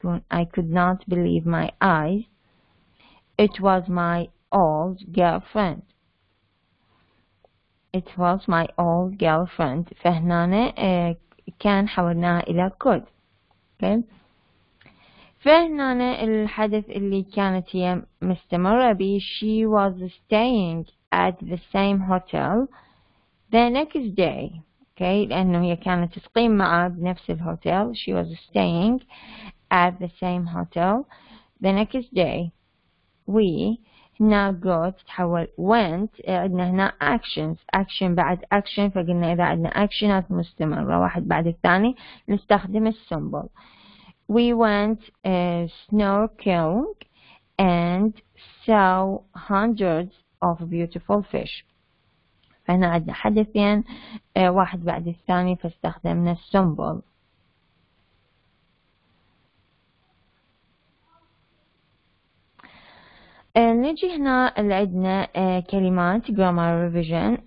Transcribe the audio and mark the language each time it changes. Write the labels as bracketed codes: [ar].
[en] I could not believe my eyes. It was my old girlfriend. It was my old girlfriend. [ar] فهنا كان حولناها إلى could. [en] Okay. [ar] فهنا الحدث اللي كانت هي مستمرة به. [en] She was staying at the same hotel the next day. [ar] Okay, لأنه هي كانت تقيم معه بنفس الهوتيل. [en] She was staying at the same hotel. The next day, we now got تحول went. [ar] عندنا هنا actions. Action بعد action. فقلنا إذا عندنا actions مستمرة واحد بعد الثاني نستخدم السمبل. [en] We went snorkeling and saw hundreds of beautiful fish. [ar] فهنا عندنا حدثين واحد بعد الثاني فاستخدمنا السمبل. نجي هنا عندنا كلمات [en] grammar revision.